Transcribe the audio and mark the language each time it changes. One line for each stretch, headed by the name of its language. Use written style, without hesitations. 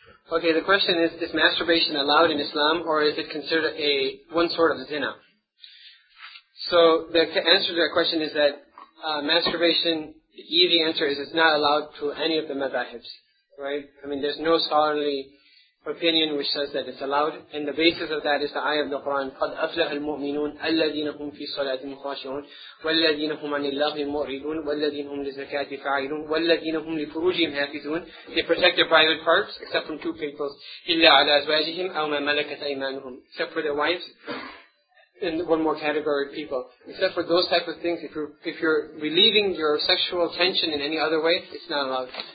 English: Okay, the question is masturbation allowed in Islam or is it considered one sort of zina? So the answer to that question is that masturbation, the easy answer is it's not allowed to any of the madhahibs. right? I mean, there's no scholarly opinion which says that it's allowed. And the basis of that is the ayah of the Quran,
Arabic: قَدْ أَفْلَحَ الْمُؤْمِنُونَ الَّذِينَ هُمْ فِي صَلَاتِهِمْ خَاشِعُونَ وَالَّذِينَ هُمْ عَنِ اللَّغْوِ مُعْرِضُونَ وَالَّذِينَ هُمْ لِزَكَاةِ فَاعِلُونَ وَالَّذِينَ هُمْ لِفُرُوجِهِمْ حَافِظُونَ.
English: They protect their private parts, except from two people,
Arabic: إِلَّا عَلَى أَزْوَاجِهِمْ أَوْ مَا مَلَكَتْ أَيْمَانُهُمْ,
English: except for their wives. And one more category of people. Except for those type of things, if you're relieving your sexual tension in any other way, it's not allowed.